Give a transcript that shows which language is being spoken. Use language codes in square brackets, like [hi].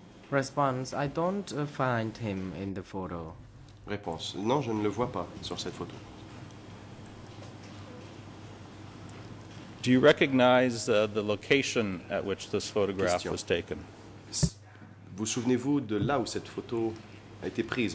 [en] Response: I don't find him in the photo. [fr] Réponse: Non, je ne le vois pas sur cette photo. [en] Do you recognize the location at which this photograph was taken? [fr] Vous souvenez-vous de là où cette photo a été prise?